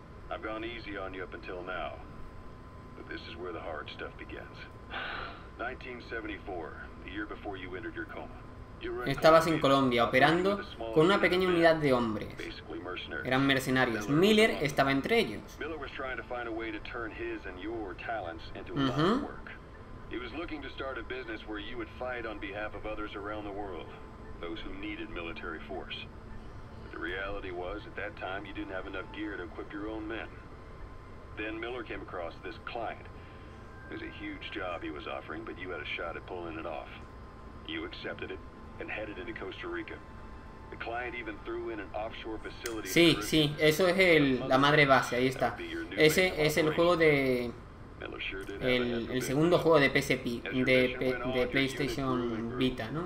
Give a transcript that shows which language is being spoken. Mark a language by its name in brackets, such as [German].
[English] I've gone easy on you up until now, but this is where the hard stuff begins. 1974, the year before you entered your coma. [Spanish] Estabas en Colombia operando con una pequeña unidad de hombres. Eran mercenarios. Miller estaba entre ellos. [English] Miller was trying to find a way to turn his and your talents into a lot of work. He was looking to start a business where you would fight on behalf of others around the world, those who needed military force. The reality was, at that time, you didn't have enough gear to equip your own men. Then Miller came across this client. It was a huge job he was offering, but you had a shot at pulling it off. You accepted it and headed into Costa Rica. The client even threw in an offshore facility. [Spanish] Sí, sí, eso es el la madre base, ahí está. Ese es el juego de el segundo juego de PSP de PlayStation Vita, ¿no?